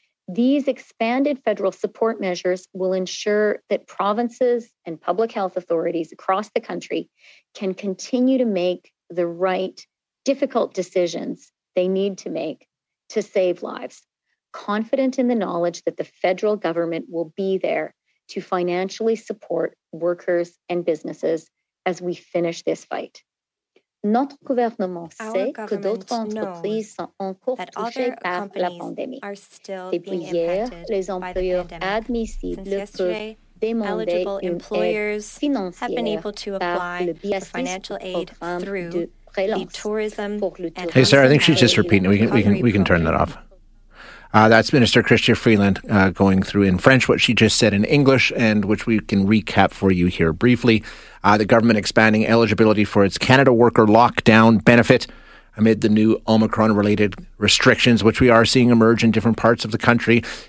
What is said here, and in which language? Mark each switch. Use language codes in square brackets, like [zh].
[en] These expanded federal support measures will ensure that provinces and public health authorities across the country can continue to make the right difficult decisions they need to make to save lives, confident in the knowledge that the federal government will be there to financially support workers and businesses as we finish this fight. [fr] Notre gouvernement sait que d'autres entreprises sont encore touchées par la pandémie. Depuis hier, les employeurs admissibles peuvent demander une aide financière par le biais du programme de prélance. [en] Hey Sarah, I think she's just repeating. We can turn that off. That's Minister Chrystia Freeland going through in French what she just said in English, and which we can recap for you here briefly. The government expanding eligibility for its Canada Worker Lockdown Benefit amid the new Omicron-related restrictions, which we are seeing emerge in different parts of the country.